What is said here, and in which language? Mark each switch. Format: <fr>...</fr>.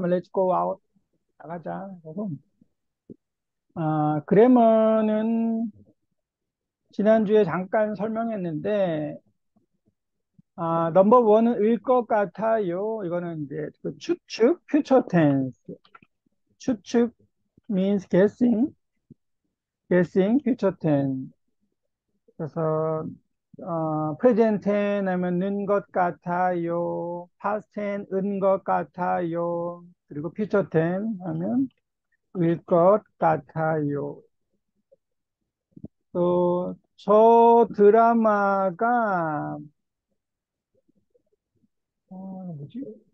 <en>Let's go out.</en> <ko>나가자. 그럼. 그래머는 지난주에 잠깐 설명했는데, 넘버 원은 을것 같아요. 이거는 이제 그 추측, 퓨처 텐스.</ko> <en>추측 means guessing, guessing future tense.</en> <ko>그래서 present tense 하면 는것 같아요, past tense 은것 같아요, 그리고 future tense 하면 을것 같아요. 또저 드라마가 뭐지?</ko>